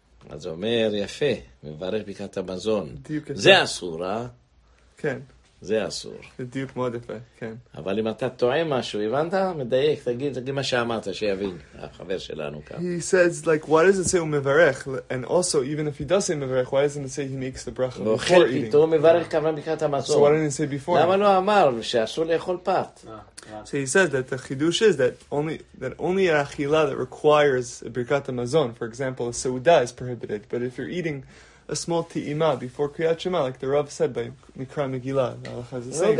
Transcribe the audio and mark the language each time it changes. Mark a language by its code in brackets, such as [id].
[he] אז אומר, יפה, מברך בקעת המזון. דיוק יפה. זה אסור, אה? כן. זה אסור. זה דיוק מאוד יפה, כן. אבל אם אתה טועה משהו, הבנת? מדייק, תגיד מה שאמרת, שיבין החבר שלנו כאן. [en] He says, like, why does it say [he] הוא מברך? [en] And also, even if he does say מברך, why doesn't it say he makes the bracha before eating? [he] הוא אוכל פתאום, מברך כמה בקעת המזון. [en] So why didn't he say before? [he] למה לא אמר שאסור לאכול פת? [en] So he says that the chidush is that only a achila that requires a birkat hamazon, for example, a seuda is prohibited. But if you're eating a small ti'ima before kriyat shema, like the Rav said by Mikra Megillah, the halach has the same.